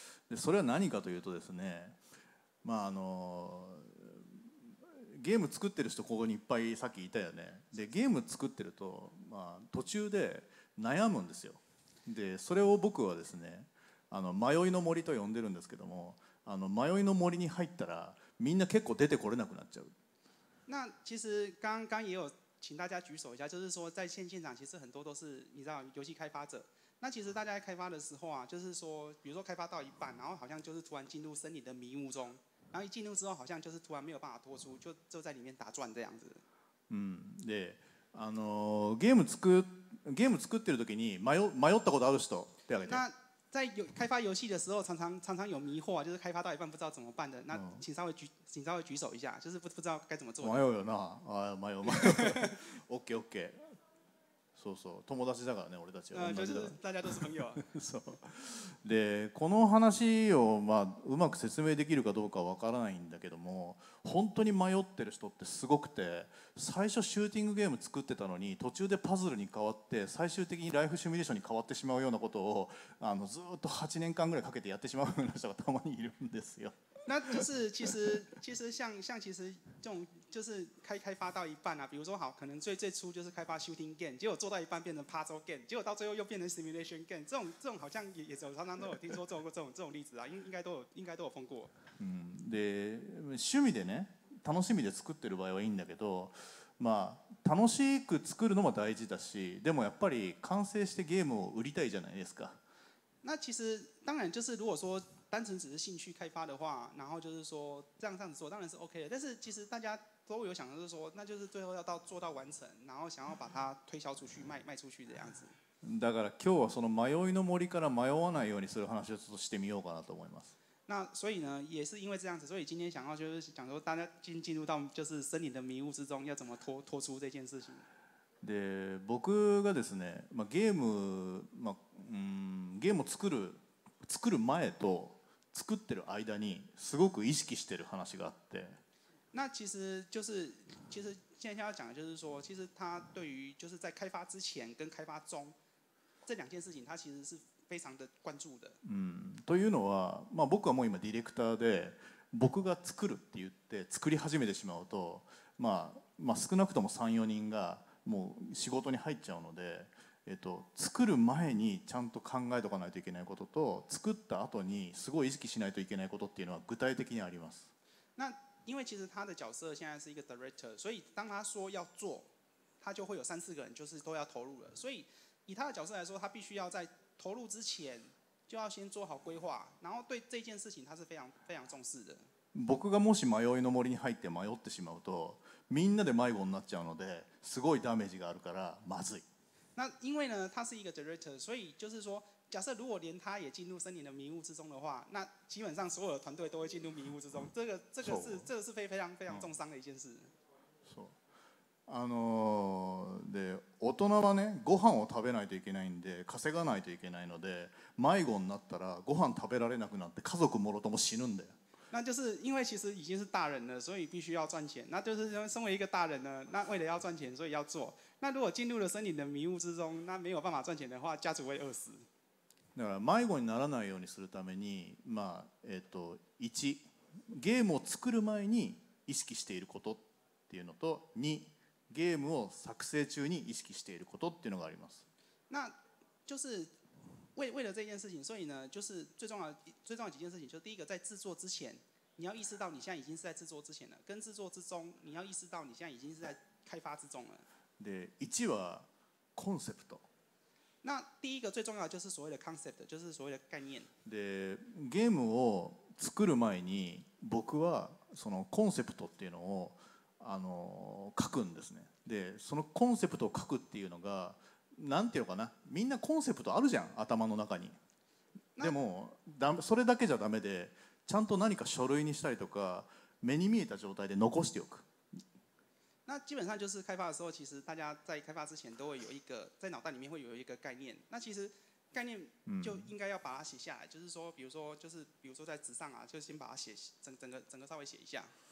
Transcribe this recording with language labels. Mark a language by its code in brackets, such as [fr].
[ja] でそれは何かというとですね、まああのゲーム作ってる人ここにいっぱいさっきいたよね。でゲーム作ってると、まあ、途中で悩むんですよ。でそれを僕はですね、あの迷いの森と呼んでるんですけども、あの迷いの森に入ったらみんな結構出てこれなくなっちゃう。 [zh] 那其实刚也有请大家举手一下，就是说在现场其实很多都是你知道游戏开发者。那其实大家在开发的时候啊，就是说比如说开发到一半，然后好像就是突然进入森林的迷雾中，然后一进入之后好像就是突然没有办法脱出，就在里面打转这样子。 [ja] で、あのゲーム作ってる時に迷ったことある人手挙げて。 [zh] 在开发游戏的时候常常有迷惑，就是开发到一半不知道怎么办的，那请稍微举手一下，就是不知道该怎么做。 [ja] 迷うよな。あ、迷う。OK OK。そうそう、友達だからね、俺たちは。 [zh] 就是大家都是朋友。 [ja] そう。で、この話をまあうまく説明できるかどうかわからないんだけども、本当に迷ってる人ってすごくて、最初シューティングゲーム作ってたのに途中でパズルに変わって最終的にライフシミュレーションに変わってしまうようなことをあのずっと8年間ぐらいかけてやってしまうような人がたまにいるんですよ。 [zh] 那就是其实像其实这种就是开发到一半啊，比如说好，可能最初就是开发 shooting game， 结果做到一半变成 puzzle game， 结果到最后又变成 simulation game， 这种好像也常常都有听说这种例子啊，应该都有碰过。 [ja] で趣味でね、楽しみで作ってる場合はいいんだけど、まあ楽しく作るのも大事だし、でもやっぱり完成してゲームを売りたいじゃないですか。 [zh] 那其实当然就是如果说单纯只是兴趣开发的话，然后就是说这样子做当然是 OK 的。但是其实大家都有想的是说，那就是最后要到做到完成，然后想要把它推销出去卖出去这样子。 [ja] だから今日はその迷いの森から迷わないようにする話をちょっとしてみようかなと思います。 [zh] 那所以呢，也是因为这样子，所以今天想要就是讲说，大家进入到就是森林的迷雾之中，要怎么脱出这件事情。 [ja] で僕がですね、まあ、ゲーム、まあ、ゲームを作る前と作ってる間にすごく意識してる話があって、 [zh] 那其实现在要讲的就是说，其实他对于就是在开发之前跟开发中这两件事情他其实是非常的关注的。 [ja] というのは、まあ、僕はもう今ディレクターで、僕が作るって言って作り始めてしまうと、まあ、少なくとも 3,4 人がもう仕事に入っちゃうので、作る前にちゃんと考えとかないといけないことと、作った後にすごい意識しないといけないことっていうのは具体的にあります。 [zh] 那因为其实他的角色现在是一个 director， 所以当他说要做，他就会有三四个人就是都要投入了，所以以他的角色来说，他必须要在投入之前就要先做好规划，然后对这件事情他是非常非常重视的。 [ja] 僕がもし迷いの森に入って迷ってしまうと、みんなで迷子になっちゃうので、すごいダメージがあるからまずい。 [zh] 那因为呢，他是一个 director， 所以就是说，假设如果连他也进入森林的迷雾之中的话，那基本上所有的团队都会进入迷雾之中。这个是非常非常重伤的一件事。 [ja] そう。で、大人はね、ご飯を食べないといけないんで、稼がないといけないので、迷子になったらご飯食べられなくなって家族もろとも死ぬんだよ。 [zh] 那就是因为其实已经是大人了，所以必须要赚钱。那就是身为一个大人呢，那为了要赚钱，所以要做。那如果进入了森林的迷雾之中，那没有办法赚钱的话，家族会饿死。 [ja] だから迷子にならないようにするために、まあ一、ゲームを作る前に意識していることっていうのと、二、ゲームを作成中に意識していることっていうのがあります。 [zh] 那就是。为了这件事情，所以呢，就是最重要的几件事情，就是第一个，在制作之前你要意识到你现在已经是在制作之前了，跟制作之中，你要意识到你现在已经是在开发之中了。 [ja] で、1はコンセプト。 [zh] 那第一个最重要的就是所谓的 concept， 就是所谓的概念。 [ja] で、ゲームを作る前に僕はそのコンセプトっていうのを書くんですね。で、そのコンセプトを書くっていうのが、なんていうのかな、みんなコンセプトあるじゃん、頭の中に。でもそれだけじゃダメで、ちゃんと何か書類にしたりとか、目に見えた状態で残しておく。 [zh] 那基本上就是开发的时候，其实大家在开发之前都会有一个在脑袋里面会有一个概念。那其实概念就应该要把它写下来，就是说，比如说在纸上啊，就先把它写整个稍微写一下。